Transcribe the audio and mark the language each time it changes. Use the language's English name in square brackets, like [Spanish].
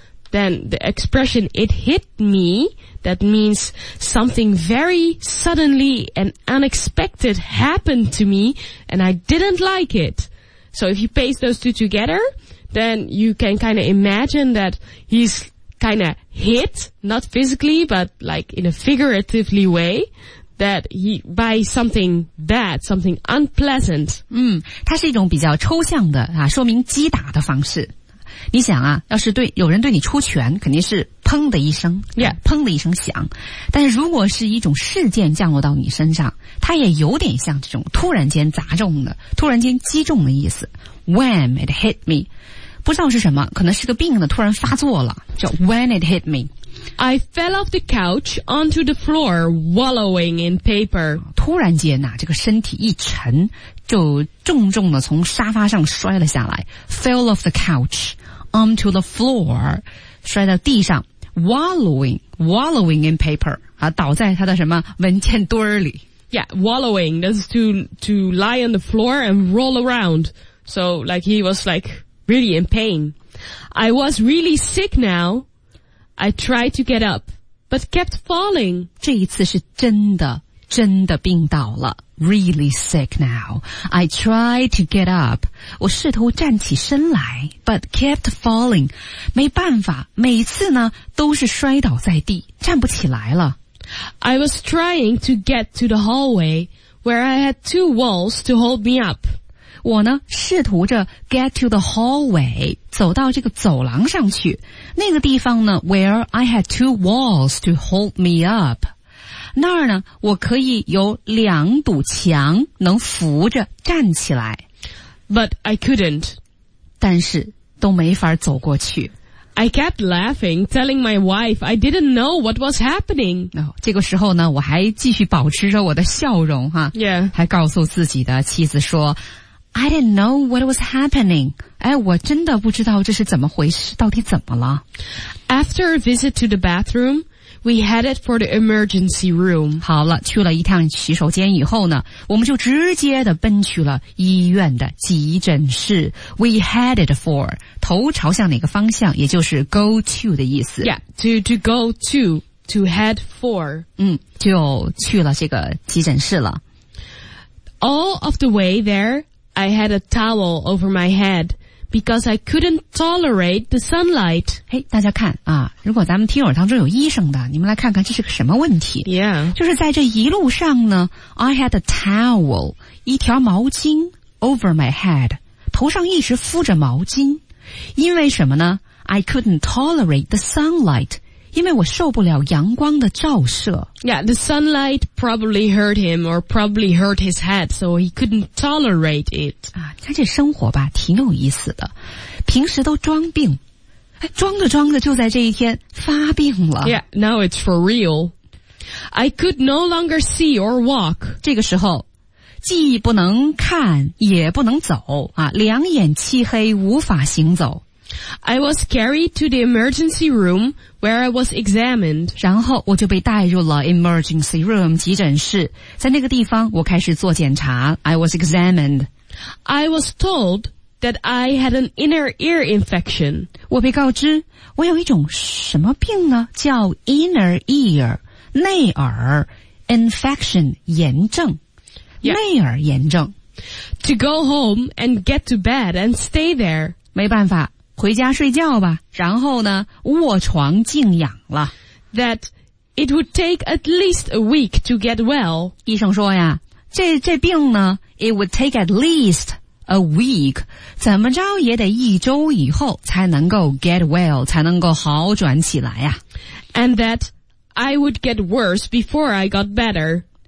[English] Then the expression it hit me,That means something very suddenly and unexpected happened to me and I didn't like it. So if you paste those two together, then you can kind of imagine that he's kind of hit, not physically, but like in a figuratively way. That he, by something bad, something unpleasant. [Chinese] 它是一种比较抽象的啊，说明击打的方式。你想啊，要是对有人对你出拳，肯定是砰的一声， [English] yeah. [Chinese] 砰的一声响。但是如果是一种事件降落到你身上，它也有点像这种突然间砸中的、突然间击中的意思。 [English] When it hit me， [Chinese] 不知道是什么，可能是个病呢，突然发作了，叫 When it hit me。 [English] I fell off the couch onto the floor, wallowing in paper. [Chinese] 突然间呐、啊，这个身体一沉，就重重的从沙发上摔了下来。 [English] Fell off the couch. Onto the floor, [Chinese] 摔到地上 [English] wallowing in paper, [Chinese] 啊倒在他的什么文件堆里。 [English] Yeah, wallowing, that's to lie on the floor and roll around. So, like, he was like, really in pain. I was really sick now. I tried to get up, but kept falling. [Chinese] 这一次是真的病倒了。 [English] Really sick now. I tried to get up. [Chinese] 我试图站起身来 [English] ,but kept falling. [Chinese] 没办法每次呢都是摔倒在地站不起来了。 [English] I was trying to get to the hallway where I had two walls to hold me up. [Chinese] 我呢试图着 [English] get to the hallway, [Chinese] 走到这个走廊上去。那个地方呢 [English] where I had two walls to hold me up. [Chinese] 那儿呢我可以有两堵墙能扶着站起来 [English] But I couldn't [Chinese] 但是都没法走过去 [English] I kept laughing telling my wife I didn't know what was happening [Chinese] 这个时候呢我还继续保持着我的笑容哈、 [English] yeah. [Chinese] 还告诉自己的妻子说 [English] I didn't know what was happening. [Chinese] 哎，我真的不知道这是怎么回事，到底怎么了。 [English] After a visit to the bathroom, we headed for the emergency room. [Chinese] 好了，去了一趟洗手间以后呢，我们就直接的奔去了医院的急诊室。 [English] We headed for, [Chinese] 头朝向哪个方向，也就是 go to 的意思。 [English] Yeah, to go to head for. [Chinese] 嗯，就去了这个急诊室了。 [English] All of the way there,I had a towel over my head because I couldn't tolerate the sunlight. [Chinese] 嘿、hey, 大家看啊，如果咱们听友当中有医生的，你们来看看这是个什么问题。 [English] Yeah. [Chinese] 就是在这一路上呢 , [English] I had a towel, [Chinese] 一条毛巾 [English] over my head, [Chinese] 头上一直敷着毛巾。因为什么呢 ? [English] I couldn't tolerate the sunlight, [Chinese] 因为我受不了阳光的照射。 [English] Yeah, the sunlight probably hurt him or probably hurt his head, so he couldn't tolerate it. [Chinese] 啊，看这生活吧，挺有意思的。平时都装病，哎，装着装着就在这一天发病了。 [English] Yeah, now it's for real. I could no longer see or walk. [Chinese] 这个时候，既不能看，也不能走，啊，两眼漆黑，无法行走。 [English] I was carried to the emergency room where I was examined. [Chinese] 然后我就被带入了 emergency room, 急诊室。在那个地方我开始做检查。 [English] I was examined. I was told that I had an inner ear infection. [Chinese] 我被告知我有一种什么病呢叫 inner ear, 内耳 infection, 炎症。 [English] Yeah. [Chinese] 内耳炎症。 [English] To go home and get to bed and stay there. [Chinese] 没办法。回家睡觉吧，然后呢，卧床静养了。 [English] That it would take at least a week to get well. [Chinese] 医生说呀，这病呢 ， [English] it would take at least a week， [Chinese] 怎么着也得一周以后才能够 [English] get well， [Chinese] 才能够好转起来呀。 [English] And that I would get worse before I got better.